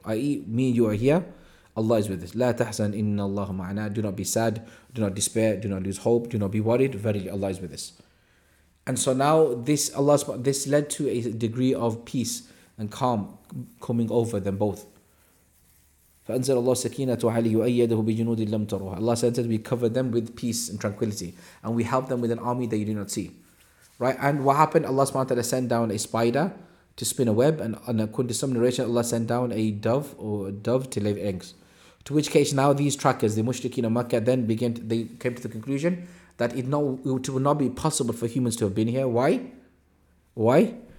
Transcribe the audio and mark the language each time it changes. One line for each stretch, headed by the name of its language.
English: I.e., me and you are here, Allah is with us.
Arabic: لا تحزن إن الله معنا.
English: Do not be sad, do not despair, do not lose hope, do not be worried. Verily, Allah is with us. And so now, this led to a degree of peace and calm coming over them both.
Arabic: فأنزل الله سكينة وعلي يؤيده بجنود لم تروها.
English: Allah said that we covered them with peace and tranquility, and we helped them with an army that you do not see. Right, and what happened? Allah subhanahu wa ta'ala sent down a spider to spin a web, and according to some narration, Allah sent down a dove to lay eggs. To which case, now these trackers, the mushrikeen of Makkah, then came to the conclusion that it would not be possible for humans to have been here. Why? Why?